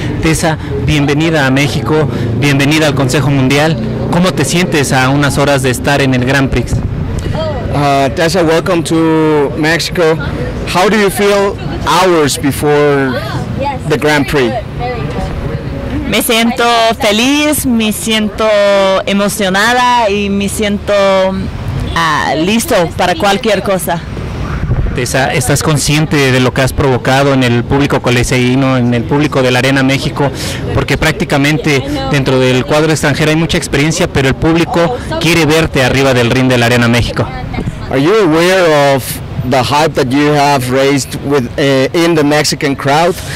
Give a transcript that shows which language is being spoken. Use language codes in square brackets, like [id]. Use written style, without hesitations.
[es] Tessa, bienvenida a México, bienvenida al Consejo Mundial. ¿Cómo te sientes a unas horas de estar en el Grand Prix? [en] Tessa, welcome to Mexico. How do you feel hours before the Grand Prix? [es] Me siento feliz, me siento emocionada y me siento listo para cualquier cosa. Tessa, ¿estás consciente de lo que has provocado en el público coliseíno, en el público de la Arena México? Porque prácticamente dentro del cuadro extranjero hay mucha experiencia, pero el público quiere verte arriba del ring de la Arena México. [en] Are you aware of the hype that you have raised with in the Mexican crowd?